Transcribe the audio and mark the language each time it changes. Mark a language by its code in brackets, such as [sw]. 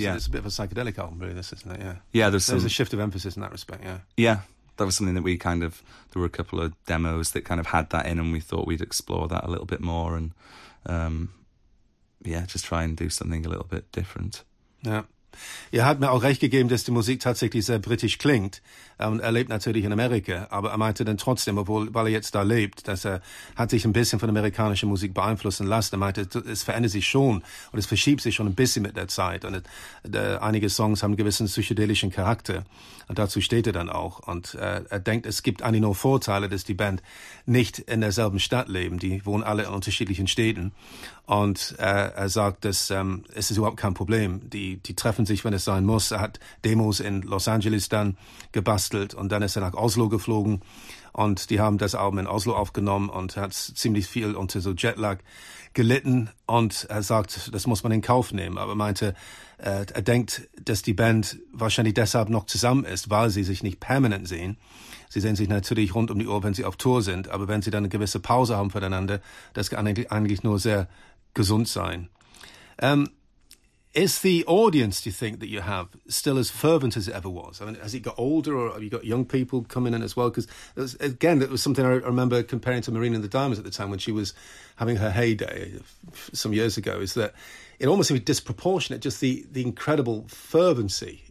[en] It's a bit of a psychedelic album, really, this, isn't it? Yeah. Yeah, there's a shift of emphasis in that respect, yeah. Yeah. That was something that we kind of, there were a couple of demos that kind of had that in, and we thought we'd explore that a little bit more and, yeah, just try and do something a little bit different. Yeah. [de] Ihr habt mir auch recht gegeben, dass die Musik tatsächlich sehr britisch klingt. Er lebt natürlich in Amerika, aber er meinte dann trotzdem, obwohl, weil er jetzt da lebt, dass er hat sich ein bisschen von amerikanischer Musik beeinflussen lassen. Er meinte, es verändert sich schon und es verschiebt sich schon ein bisschen mit der Zeit. Und einige Songs haben einen gewissen psychedelischen Charakter. Und dazu steht er dann auch. Und er denkt, es gibt eigentlich nur Vorteile, dass die Band nicht in derselben Stadt leben. Die wohnen alle in unterschiedlichen Städten. Und er sagt, dass es ist überhaupt kein Problem. Die treffen sich, wenn es sein muss. Er hat Demos in Los Angeles dann gebastelt und dann ist er nach Oslo geflogen und die haben das Album in Oslo aufgenommen und hat ziemlich viel unter so Jetlag gelitten und er sagt, das muss man in Kauf nehmen. Aber meinte, er denkt, dass die Band wahrscheinlich deshalb noch zusammen ist, weil sie sich nicht permanent sehen. Sie sehen sich natürlich rund um die Uhr, wenn sie auf Tour sind, aber wenn sie dann eine gewisse Pause haben voneinander, das kann eigentlich nur sehr gesund sein. [en] Is the audience, do you think, that you have still as fervent as it ever was? I mean, has it got older or have you got young people coming in as well? Because, again, that was something I remember comparing to Marina and the Diamonds at the time when she was having her heyday some years ago, is that it almost seemed disproportionate, just the incredible fervency.